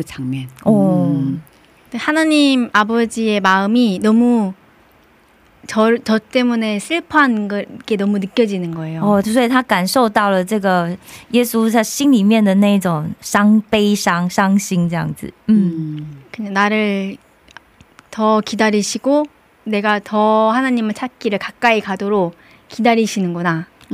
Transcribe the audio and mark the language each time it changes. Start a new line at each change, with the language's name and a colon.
Chinese: 장면，所以在他高中大学的时候呢，他就读到了这个使徒保罗遇到了，不是使徒保罗，不是彼得，彼得，对不起，彼得遇见了那个上帝，耶稣的这个过程的故事。彼得三次否认了耶稣，哦，是那个场面。哦，하나님
Korean: 아버지의 마음이 너무 저 때문에 슬퍼한 게 너무 느껴지는 거예요.
Chinese: 所以他感受到了这个耶稣在心里面的那种伤悲伤伤心这样子。
Korean: 그냥 나를 더 기다리시고 내가 더 하나님을 찾기를 가까이 가도록 기다리시는구나.